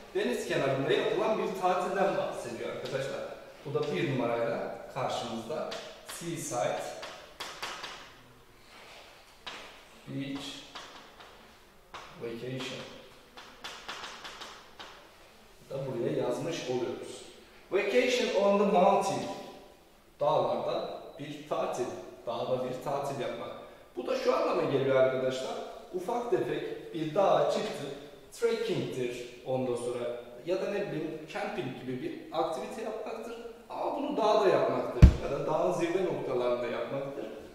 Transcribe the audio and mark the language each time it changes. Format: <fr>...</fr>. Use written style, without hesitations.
<tr>Deniz kenarında yapılan bir tatilden bahsediyor arkadaşlar. Bu da bir numarayla karşımızda.</tr> <en>Seaside Beach Vacation.</en> <tr>Da buraya yazmış oluyoruz.</tr> <en>Vacation on the mountain.</en> <tr>Dağlarda bir tatil. Dağda bir tatil yapmak. Bu da şu anlama geliyor arkadaşlar. Ufak tefek bir dağa çıktı. Trekkingtir ondan sonra. Ya da ne bileyim camping gibi bir aktivite yapmaktır. Ama bunu dağda yapmaktır. Ya da dağın zirve noktalarında yapmaktır.</tr>